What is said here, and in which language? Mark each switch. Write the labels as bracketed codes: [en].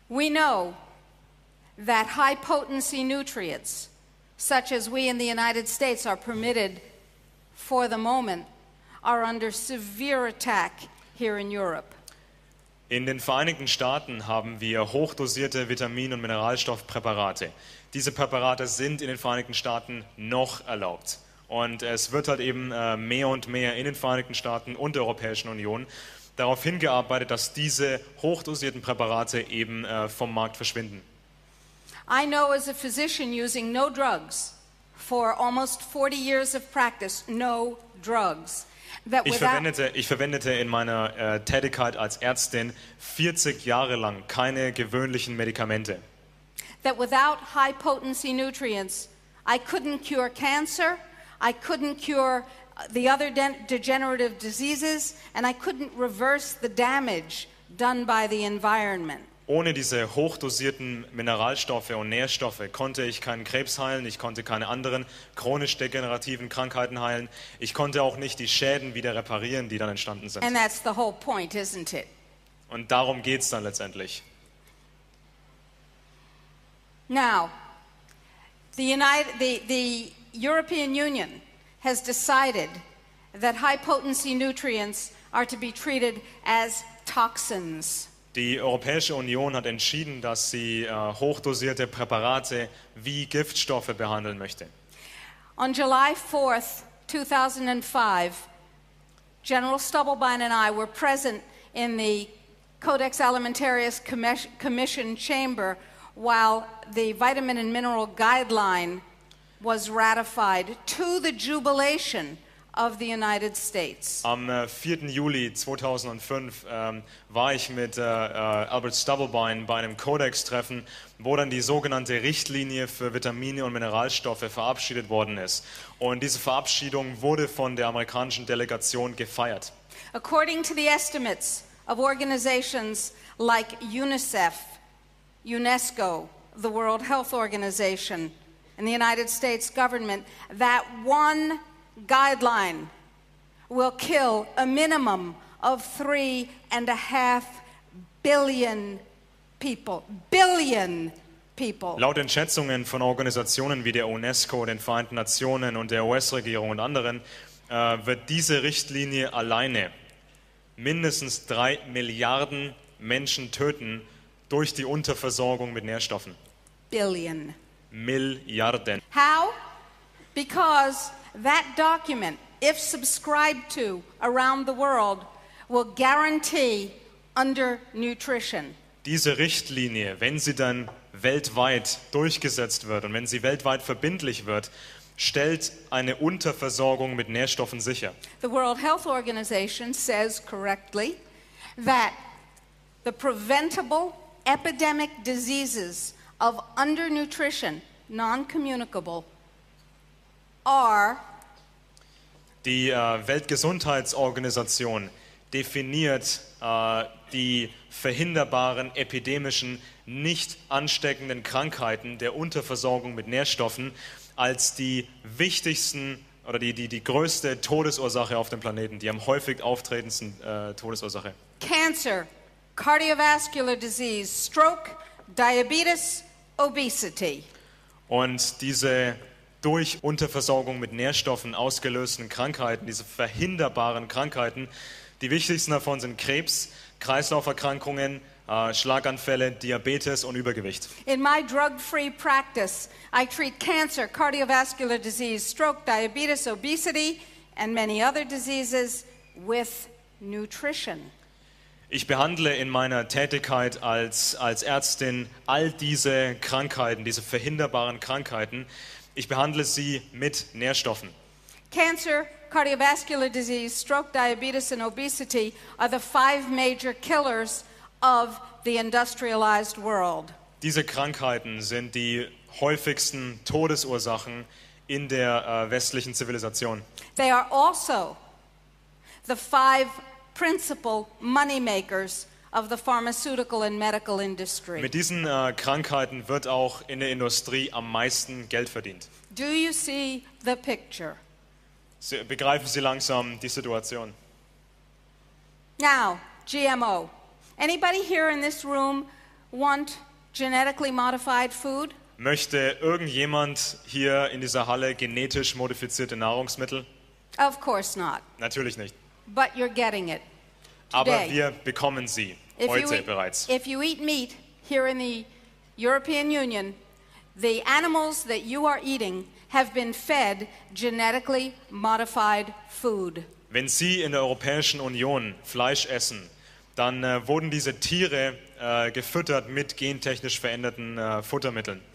[en] We know that high potency nutrients such as we in the United States are permitted for the moment are under severe attack here in Europe. [de] In den Vereinigten Staaten haben wir hochdosierte Vitamin- und Mineralstoffpräparate. Diese Präparate sind in den Vereinigten Staaten noch erlaubt. Und es wird halt eben mehr und mehr in den Vereinigten Staaten und der Europäischen Union darauf hingearbeitet, dass diese hochdosierten Präparate eben vom Markt verschwinden. [en] I know as a physician using no drugs for almost 40 years of practice, no drugs. [de] Ich verwendete in meiner Tätigkeit als Ärztin 40 Jahre lang keine gewöhnlichen Medikamente. [en] That without high potency nutrients, I couldn't cure cancer, I couldn't cure the other degenerative diseases, and I couldn't reverse the damage done by the environment. [de] Ohne diese hochdosierten Mineralstoffe und Nährstoffe konnte ich keinen Krebs heilen, ich konnte keine anderen chronisch degenerativen Krankheiten heilen, ich konnte auch nicht die Schäden wieder reparieren, die dann entstanden sind. [en] And that's the whole point, isn't it? [de] Und darum geht's dann letztendlich. [en] Now, the European Union has decided that high-potency nutrients are to be treated as toxins. [de] Die Europäische Union hat entschieden, dass sie hochdosierte Präparate wie Giftstoffe behandeln möchte. [en] On July 4th, 2005, General Stubblebine and I were present in the Codex Alimentarius Commission chamber while the vitamin and mineral guideline was ratified, to the jubilation of the United States. [de] Am 4. Juli 2005 war ich mit Albert Stubblebine bei einem Codex-Treffen, wo dann die sogenannte Richtlinie für Vitamine und Mineralstoffe verabschiedet worden ist. Und diese Verabschiedung wurde von der amerikanischen Delegation gefeiert. [en] According to the estimates of organizations like UNICEF, UNESCO, the World Health Organization, and the United States government, that one guideline will kill a minimum of 3.5 billion people. Billion people. [de] Laut den Schätzungen von Organisationen wie der UNESCO, den Vereinten Nationen und der US-Regierung und anderen, wird diese Richtlinie alleine mindestens 3 Milliarden Menschen töten durch die Unterversorgung mit Nährstoffen. [en] Billion. [de] Milliarden. [en] How? Because that document, if subscribed to around the world, will guarantee undernutrition. [de] Diese Richtlinie, wenn sie dann weltweit durchgesetzt wird und wenn sie weltweit verbindlich wird, stellt eine Unterversorgung mit Nährstoffen sicher. [en] The World Health Organization says correctly that the preventable epidemic diseases of undernutrition, non-communicable, are. [de] Die Weltgesundheitsorganisation definiert die verhinderbaren epidemischen, nicht ansteckenden Krankheiten der Unterversorgung mit Nährstoffen als die wichtigsten oder die größte Todesursache auf dem Planeten, die am häufig auftretendsten Todesursache. [en] Cancer, cardiovascular disease, stroke, diabetes, obesity. [de] Und diese durch Unterversorgung mit Nährstoffen ausgelösten Krankheiten, diese verhinderbaren Krankheiten, die wichtigsten davon sind Krebs, Kreislauferkrankungen, Schlaganfälle, Diabetes und Übergewicht. [en] In my drug-free practice, I treat cancer, cardiovascular disease, stroke, diabetes, obesity and many other diseases with nutrition. [de] Ich behandle in meiner Tätigkeit als Ärztin all diese Krankheiten, diese verhinderbaren Krankheiten. Ich behandle sie mit Nährstoffen. [en] Cancer, cardiovascular disease, stroke, diabetes and obesity are the 5 major killers of the industrialized world. [de] Diese Krankheiten sind die häufigsten Todesursachen in der westlichen Zivilisation. [en] They are also the 5 principal money makers of the pharmaceutical and medical industry. [de] Mit diesen Krankheiten wird auch in der Industrie am meisten Geld verdient. [en] Do you see the picture? [de] Begreifen Sie langsam die Situation. [en] Now, GMO. Anybody here in this room want genetically modified food? [de] Möchte irgendjemand hier in dieser Halle genetisch modifizierte Nahrungsmittel? [en] Of course not. [de] Natürlich nicht. [en] But you're getting it. [de] Aber wir bekommen sie heute bereits. [en] If you eat meat here in the European Union, the animals that you are eating have been fed genetically modified food. [de] Wenn Sie in der Europäischen Union Fleisch essen, dann wurden diese Tiere gefüttert mit gentechnisch veränderten Futtermitteln.